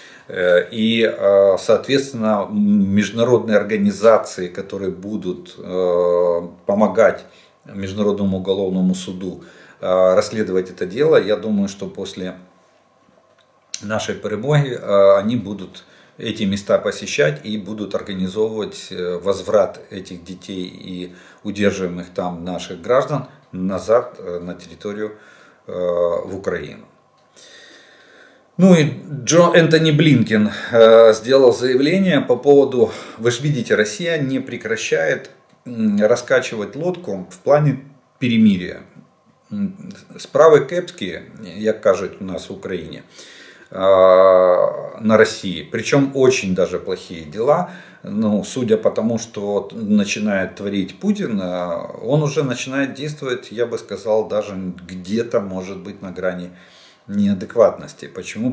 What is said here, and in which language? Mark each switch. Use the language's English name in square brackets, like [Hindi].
[Russian] И, соответственно, международные организации, которые будут помогать Международному уголовному суду расследовать это дело, я думаю, что после нашей перемоги они будут эти места посещать и будут организовывать возврат этих детей и удерживаемых там наших граждан назад на территорию в Украину. Ну и Джо Энтони Блинкен сделал заявление по поводу, вы же видите, Россия не прекращает раскачивать лодку в плане перемирия. [Ukrainian] Справи кепські, як кажуть у нас в Україні, [Russian] на России. Причем очень даже плохие дела. Ну, судя по тому, что начинает творить Путин, он уже начинает действовать, я бы сказал, даже где-то может быть на грани неадекватности. Почему?